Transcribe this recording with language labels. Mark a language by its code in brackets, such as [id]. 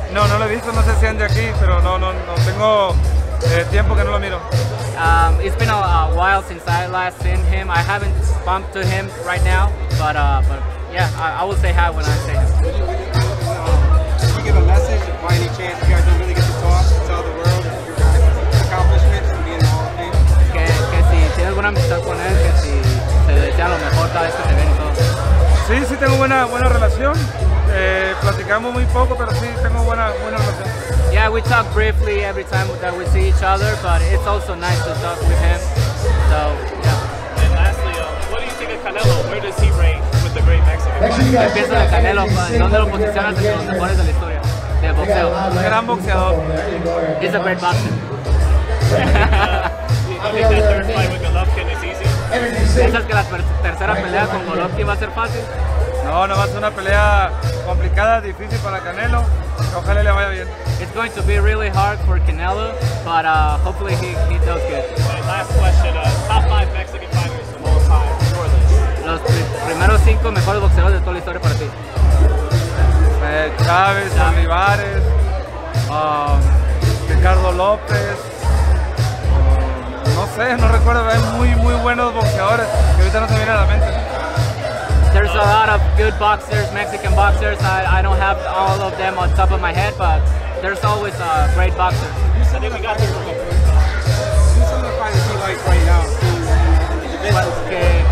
[es] No, no lo he visto, no sé si han de aquí, pero no tengo tiempo que no lo miro. [en] It's been a while since I last seen him. I haven't bumped to him right now, but yeah, I will say hi when I see him. Can you give a message by any chance? You guys don't really get to talk, tell the world your accomplishments and being in the Hall of Fame. [es] Que si tienes buena amistad con él, que si te desea lo mejor tal vez que te ven y todo. Sí, sí tengo buena relación. Platicamos muy poco, pero sí tengo buena relación. [en] Yeah, we talk briefly every time that we see each other, but it's also nice to talk with him. So, yeah. And lastly, what do you think of Canelo? Where does he rank with the great Mexican? [es] ¿Qué piensas de Canelo? ¿Dónde lo posicionas entre los mejores de la historia de boxeo? Gran boxeador. [en] He's a great boxer. And, you think the third fight with Golovkin is easy? [es] ¿Piensas que la tercera pelea con Golovkin va a ser fácil? No va a ser una pelea complicada, difícil para Canelo. Ojalá le vaya bien. [en] It's going to be really hard for Canelo, but hopefully he does good. Last question, top 5 Mexican fighters of all time, shortlist. [es] Los primeros 5 mejores boxeadores de toda la historia para ti. Chávez, Olivares, Ricardo López. No sé, no recuerdo, hay muy buenos boxeadores que ahorita no se viene a la mente. [en] There's a lot of good boxers, Mexican boxers. I don't have all of them on top of my head, but there's always a great boxer. I think we got here for the first time. Who's some of the fighters you like right now?